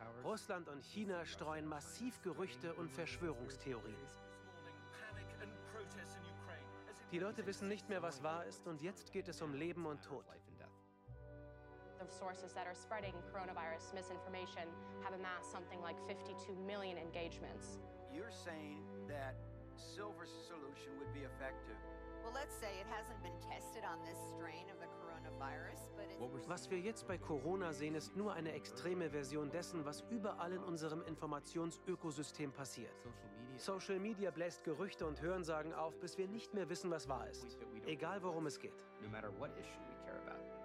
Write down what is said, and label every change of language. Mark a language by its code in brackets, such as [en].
[de] Russland und China streuen massiv Gerüchte und Verschwörungstheorien. Die Leute wissen nicht mehr, was wahr ist, und jetzt geht es um Leben und Tod. [en] The sources that are spreading coronavirus misinformation have amassed something like 52 million engagements. You're saying that silver solution would be effective. Well, let's say it hasn't been tested on this strain of the coronavirus, but it's... [de] Was wir jetzt bei Corona sehen, ist nur eine extreme Version dessen, was überall in unserem Informationsökosystem passiert. Social Media bläst Gerüchte und Hörensagen auf, bis wir nicht mehr wissen, was wahr ist. Egal, worum es geht. [en] No matter what issue we care about.